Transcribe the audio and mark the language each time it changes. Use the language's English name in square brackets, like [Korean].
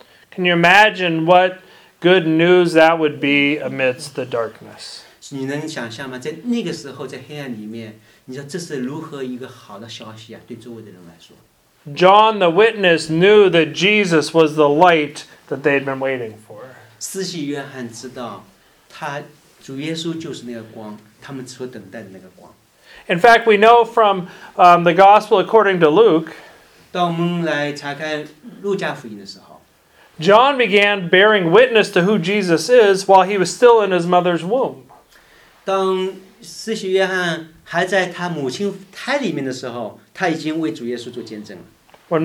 [English] Can you imagine what good news that would be amidst the darkness? [Chinese] 你能想象吗? 在那个时候, 在黑暗里面, 你知道这是如何一个好的消息啊, 对周围的人来说。 [English] John the witness knew that Jesus was the light that they had been waiting for. [Chinese] 司洗约翰知道, 他, 主耶稣就是那个光, 他们所等待的那个光。 [English] In fact, we know from the Gospel according to Luke, John began bearing witness to who Jesus is while he was still in his mother's womb. [Chinese] 当司洗约翰还在他母亲胎里面的时候，他已经为主耶稣做见证了。 [English] When